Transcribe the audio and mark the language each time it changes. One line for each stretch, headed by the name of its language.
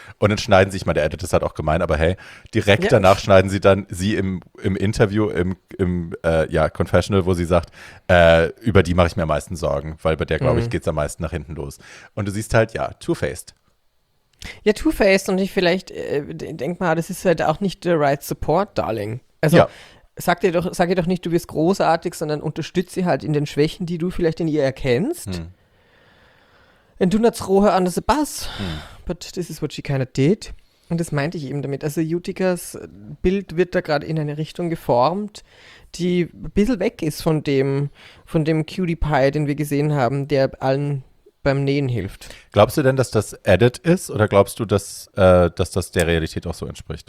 German: Und dann schneiden sie, ich meine, der Editor ist halt auch gemein, aber hey, direkt danach schneiden sie dann sie im Interview, im Confessional, wo sie sagt, über die mache ich mir am meisten Sorgen, weil bei der, glaube ich, geht es am meisten nach hinten los. Und du siehst halt,
English: two-faced.
German: Ja, two-faced und ich vielleicht, denk mal, das ist halt auch nicht
English: the right support, darling.
German: Also, ja. Sag ihr doch nicht, du bist großartig, sondern unterstütze sie halt in den Schwächen, die du vielleicht in ihr erkennst. Hm.
English: And do not throw her under the bus. Hm. But this is what she kind of did.
German: Und das meinte ich eben damit. Also Jutikas Bild wird da gerade in eine Richtung geformt, die ein bisschen weg ist von dem Cutie Pie, den wir gesehen haben, der allen beim Nähen hilft. Glaubst du denn, dass das Edit ist oder glaubst du, dass das der Realität auch so entspricht?